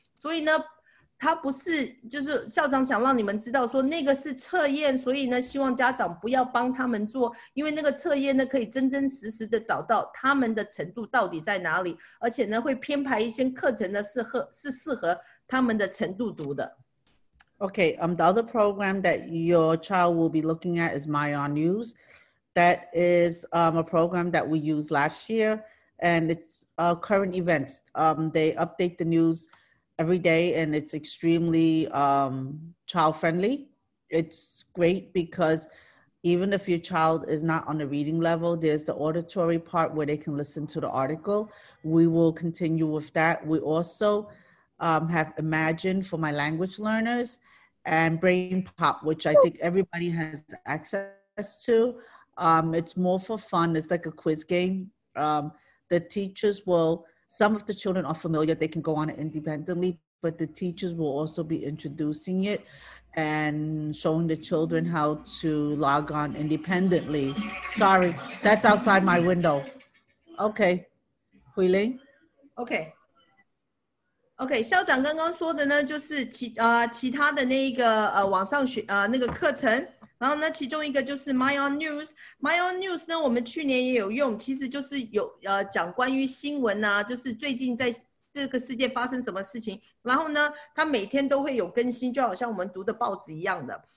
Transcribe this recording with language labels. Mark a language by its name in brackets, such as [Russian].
[Chinese] 所以呢他不是就是校长想让你们知道说那个是测验，所以呢希望家长不要帮他们做，因为那个测验呢可以真真实实的找到他们的程度到底在哪里，而且呢会编排一些课程呢是适合他们的程度读的。 [English] Okay, the other program that your child will be looking at is My On News. That is a program that we used last year, and it's current events. They update the news every day, and it's extremely child-friendly. It's great because even if your child is not on the reading level, there's the auditory part where they can listen to the article. We will continue with that. We also have Imagine for my language learners, and Brain Pop, which I think everybody has access to. It's more for fun. It's like a quiz game. The teachers will, some of the children are familiar, they can go on it independently, but the teachers will also be introducing it and showing the children how to log on independently. Sorry, that's outside my window. Okay, Huiling? Okay. [Chinese] OK, 校长刚刚说的呢就是 其他的那一个网上学那个课程，然后呢其中一个就是 My On News。 My On News 呢我们去年也有用，其实就是有讲关于新闻啊，就是最近在这个世界发生什么事情，然后呢他每天都会有更新，就好像我们读的报纸一样的。